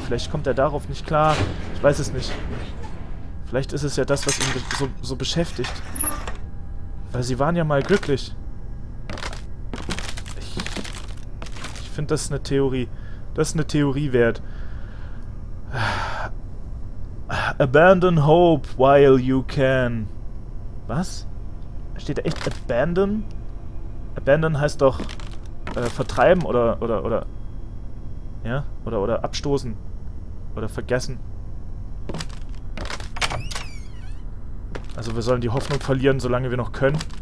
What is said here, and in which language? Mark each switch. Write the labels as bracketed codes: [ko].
[de] Vielleicht kommt er darauf nicht klar. Ich weiß es nicht. Vielleicht ist es ja das, was ihn so beschäftigt. Weil sie waren ja mal glücklich. Ich finde, das ist eine Theorie. Das ist eine Theorie wert. [en] Abandon hope while you can. [de] Was? Steht da echt abandon? Abandon heißt doch vertreiben oder ja, oder abstoßen oder vergessen. Also wir sollen die Hoffnung verlieren, solange wir noch können.